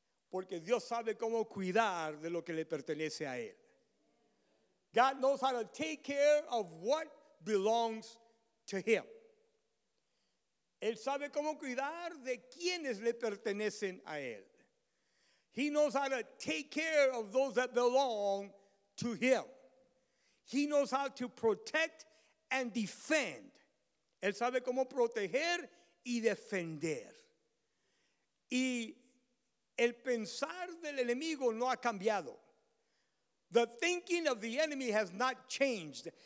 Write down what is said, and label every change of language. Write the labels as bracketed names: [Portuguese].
[Spanish] Porque Dios sabe cómo cuidar de lo que le pertenece a él. [English] God knows how to take care of what belongs to him. [Spanish] Él sabe cómo cuidar de quienes le pertenecen a él. [English] He knows how to take care of those that belong to him. He knows how to protect and defend. [Spanish] Él sabe cómo proteger y defender. Y el pensar del enemigo no ha cambiado. [English] The thinking of the enemy has not changed.